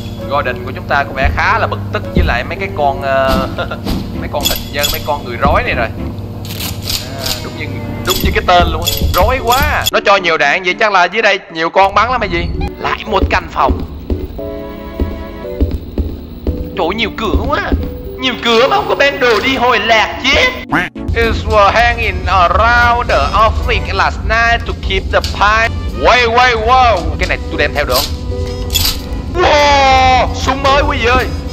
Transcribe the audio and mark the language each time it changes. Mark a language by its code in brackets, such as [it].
[vi] Garden của chúng ta có vẻ khá là bực tức với lại mấy cái con... mấy con hình nhân, mấy con người rối này rồi à, đúng như cái tên luôn. Rối quá. Nó cho nhiều đạn vậy chắc là dưới đây nhiều con bắn lắm hay gì. Lại một căn phòng. Chỗ nhiều cửa quá. Nhiều cửa mà không có bán đồ đi hồi lạc chứ. [en] It was hanging around the office last night to keep the pipe. Wait, wow. [vi] Cái này tôi đem theo được không? Wow, súng mới quý vị ơi.